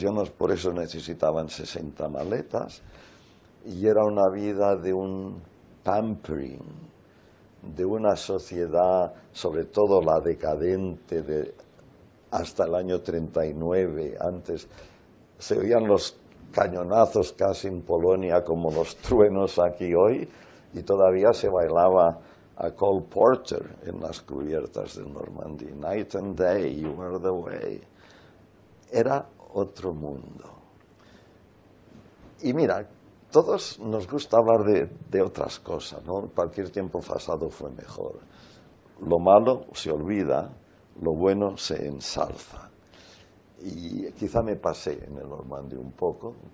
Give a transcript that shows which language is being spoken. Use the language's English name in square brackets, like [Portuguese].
[Spanish] Yo no, por eso necesitaban 60 maletas. Y era una vida de un pampering, de una sociedad, sobre todo la decadente, de hasta el año 39, antes se oían los cañonazos casi en Polonia como los truenos aquí hoy, y todavía se bailaba a Cole Porter en las cubiertas del Normandy. [English] Night and day, you are the way. [Spanish] Era otro mundo. Y mira, todos nos gusta hablar de otras cosas, ¿no? Cualquier tiempo pasado fue mejor. Lo malo se olvida, lo bueno se ensalza. y quizá me pasé en el Normandy un poco.